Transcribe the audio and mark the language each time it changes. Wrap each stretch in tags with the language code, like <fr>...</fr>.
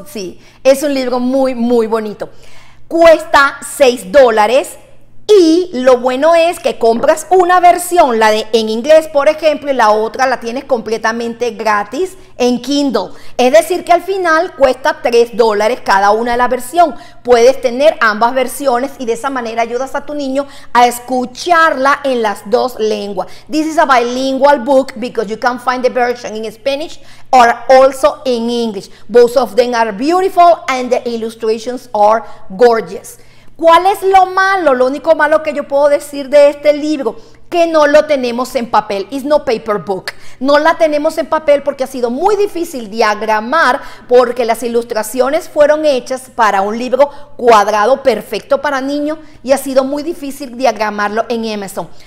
<es>Sí, es un libro muy, muy bonito. Cuesta $6 y lo bueno es que compras una versión, la de en inglés, por ejemplo, y la otra la tienes completamente gratis en Kindle. Es decir, que al final cuesta $3 cada una de la versión. Puedes tener ambas versiones y de esa manera ayudas a tu niño a escucharla en las dos lenguas.</es> <en>This is a bilingual book because you can find the version in Spanish or also in English. Both of them are beautiful and the illustrations are gorgeous.</en> <es>¿Cuál es lo malo? Lo único malo que yo puedo decir de este libro, que no lo tenemos en papel.</es> <en>It's no paper book.</en> <es>No la tenemos en papel porque ha sido muy difícil diagramar porque las ilustraciones fueron hechas para un libro cuadrado perfecto para niños y ha sido muy difícil diagramarlo en Amazon.</es>